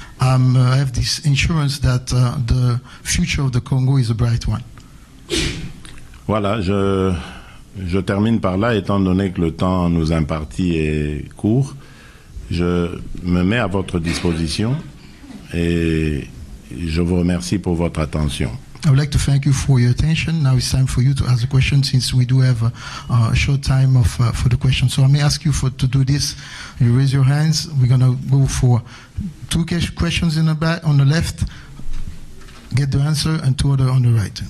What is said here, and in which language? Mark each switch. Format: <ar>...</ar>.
<en>I have this insurance that the future of the Congo is a bright one.</en> <fr>Voilà, je termine par là, étant donné que le temps nous imparti est court. Je me mets à votre disposition et je vous remercie pour votre attention.</fr> <en>I would like to thank you for your attention. Now it's time for you to ask a question, since we do have a short time of for the question. So I may ask you to do this. You raise your hands. We're going to go for two questions in the back, on the left, get the answer, and two other on the right.</en>